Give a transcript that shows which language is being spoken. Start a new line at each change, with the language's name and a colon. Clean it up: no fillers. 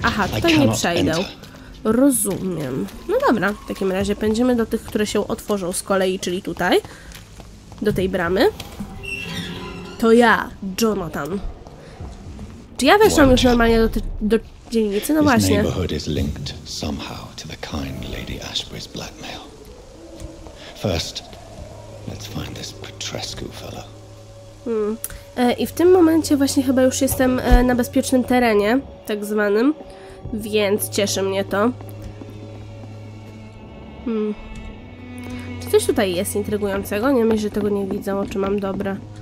Polish: Aha, tutaj nie przejdę. Rozumiem. No dobra, w takim razie pędzimy do tych, które się otworzą z kolei, czyli tutaj. Do tej bramy. To ja, Jonathan. Czy ja weszłam już normalnie do dzielnicy? No właśnie.
English: Is linked somehow to the kind Lady Ashbury's blackmail. First, let's find this Petrescu fellow.
Polish: I w tym momencie właśnie chyba już jestem na bezpiecznym terenie, tak zwanym. Więc cieszy mnie to. Czy coś tutaj jest intrygującego? Nie myślę, że tego nie widzę, oczy mam dobre.